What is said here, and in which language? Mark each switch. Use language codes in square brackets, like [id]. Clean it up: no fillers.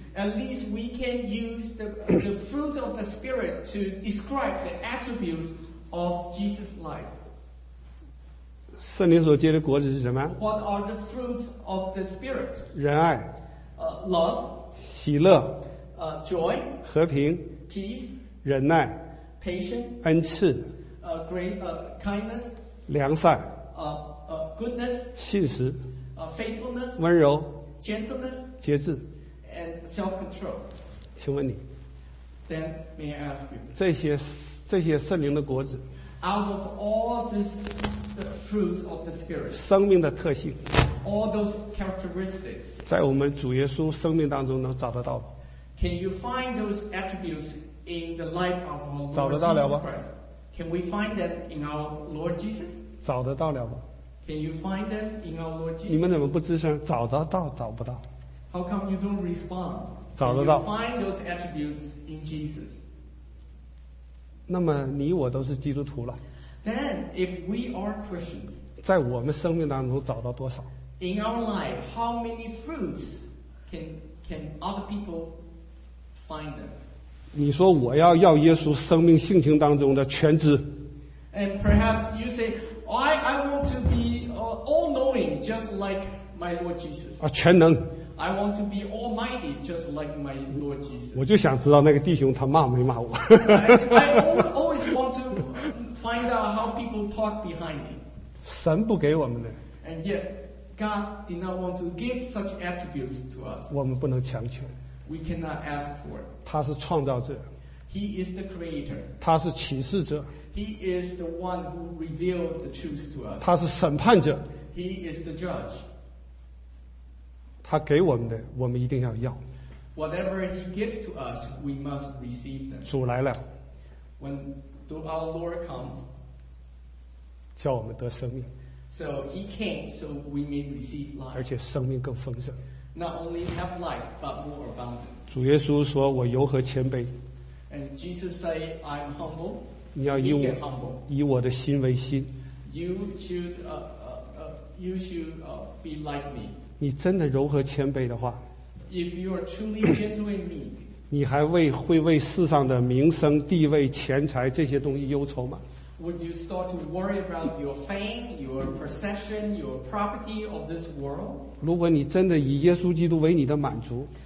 [en] At least we can use the fruit of the Spirit to describe the attributes of Jesus' life. [zh] 圣灵所结的果子是什么 [en] ？What are the fruits of the Spirit? [zh] 仁爱。 [en] Love. [zh] 喜乐。 [en] Joy. [zh] 和平。 [en] Peace. [zh] 忍耐。 [en] Patience. [zh] 恩赐。 [en] Kindness. [zh] 良善。 [en] Goodness, [zh] 信实 [en] faithfulness, [zh] 温柔 [en] gentleness, [zh] 节制 [en] and self-control. [zh] 请问你 [en] Then may I ask you, [zh] 这些圣灵的果子 [en] out of all the fruits of the Spirit, [zh] 生命的特性 [en] all those characteristics, [zh] 在我们主耶稣生命当中能找得到 [en] Can you find those attributes in the life of our Lord [zh] 找得到了吗 [en] Jesus Christ? Can we find that in our Lord Jesus? [zh] 找得到了吗 [en] Can you find them in our Lord Jesus? [zh] 你们怎么不吱声？找得到，找不到。 [en] How come you don't respond? [zh] 找得到。 [en] Can you find those attributes in Jesus? [zh] 那么你我都是基督徒了。 [en] Then if we are Christians, [zh] 在我们生命当中找到多少 [en] ？In our life, how many fruits can other people find them? [zh] 你说我要耶稣生命性情当中的全知。 [en] And perhaps you say. I want to be all-knowing, just like my Lord Jesus. [zh] 全能。 [en] I want to be almighty just like my Lord Jesus. [zh] 我就想知道那个弟兄他骂没骂我。 [en] I always want to find out how people talk behind me. [zh] 神不给我们的。 [en] And yet, God did not want to give such attributes to us. [zh] 我们不能强求。 [en] We cannot ask for it. [zh] 他是创造者。 [en] He is the creator. [zh] 他是启示者。 [en] He is the one who revealed the truth to us. [zh] 他是审判者。 [en] He is the judge. [zh] 他给我们的，我们一定要要。 [en] Whatever he gives to us, we must receive them. [zh] 主来了。 [en] When our Lord comes, [zh] 叫我们得生命。 [en] So he came so we may receive life. [zh] 而且生命更丰盛。 [en] Not only have life, but more abundant. [zh] 主耶稣说，我柔和谦卑。 [en] And Jesus said, I'm humble. [zh] 你要以 我的心为心 [en] be、like、me. [zh] 你真的柔和谦卑的话 [en] If you are truly gentle and meek, [zh] 你还为会为世上的名声地位钱财这些东西忧愁吗 [en] Would you start to worry about your fame, your possession, your property of this world? [zh] 如果你真的以耶稣基督为你的满足